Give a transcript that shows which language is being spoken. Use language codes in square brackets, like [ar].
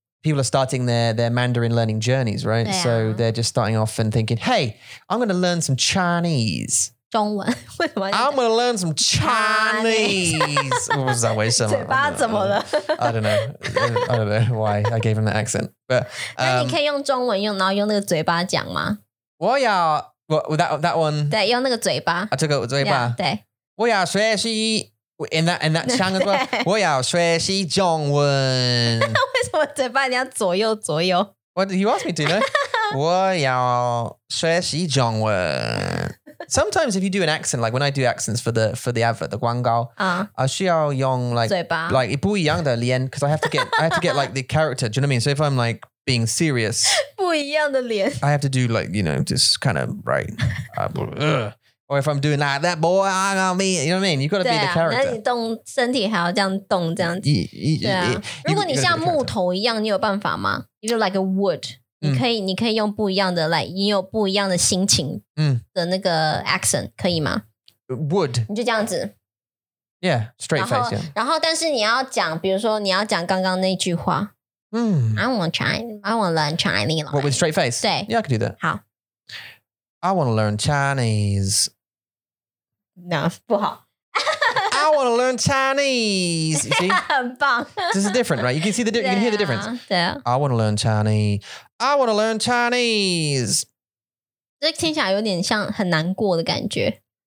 [en] People are starting their Mandarin learning journeys, right? Yeah. So they're just starting off and thinking, hey, I'm going to learn some Chinese. [zh] 中文为什么 [en] I'm going to learn some Chinese. What was that? [zh] 为什么嘴巴怎么了 [en] I don't know. I don't know why I gave him that accent. But, [zh] 那你可以用中文用然后用那个嘴巴讲吗我要 [en] well, that one. [zh] 对用那个嘴巴 [en] I took it with 嘴巴 yeah, 对 [zh] 我要学习 [en] In that channel as well. [zh] 我要学习中文。为什么嘴巴你要左右左右 [en] What did you ask me to do? [zh] 我要学习中文。 [en] Sometimes if you do an accent, like when I do accents for the advert, the 广告, [zh] 我需要用 [en] like, [zh] 嘴巴 [en] like [zh] 不一样的脸, [en] because I have to get like the character, do you know what I mean? So if I'm like being serious, [zh] 不一样的脸, [en] I have to do like, you know, just kind of, right, Or if I'm doing like that boy, I'm gonna be, you know what I mean? You've got to be the character. [zh] 那你动身体还要这样动这样子。如果你像木头一样你有办法吗 [en] You're like a wood. [zh] 你可以用不一样的 like, 你有不一样的心情的那个 accent, 可以吗 [en] Wood. [zh] 你就这样子。 [en] Yeah, straight face, yeah. [zh] 然后但是你要讲比如说你要讲刚刚那句话。 [en] I want to learn Chinese. What, with straight face? [zh] 对。 [en] Yeah, I can do that. [zh] 好。 [en] I want to learn Chinese. No, [zh] 不好 [en] I want to learn Chinese. You see? [zh] 很棒 [en] This is different, right? You can see the you can hear the difference. [zh] 对啊 [en] I want to learn Chinese. I want to learn Chinese. [zh] 这听起来有点像很难过的感觉